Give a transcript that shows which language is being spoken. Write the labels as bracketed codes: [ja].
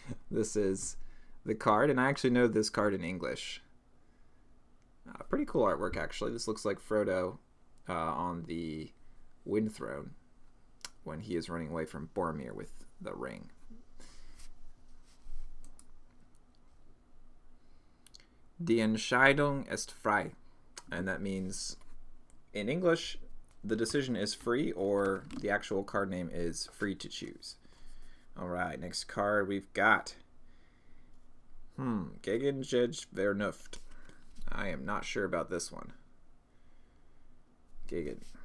[en] this is the card, and I actually know this card in English. Pretty cool artwork, actually. This looks like Frodo on the Wind Throne when he is running away from Boromir with the ring. [de] Die Entscheidung ist frei. [en] And that means, in English, the decision is free, or the actual card name is free to choose. All right, next card we've got. Gegenjage Vernuft. I am not sure about this one. Gigant.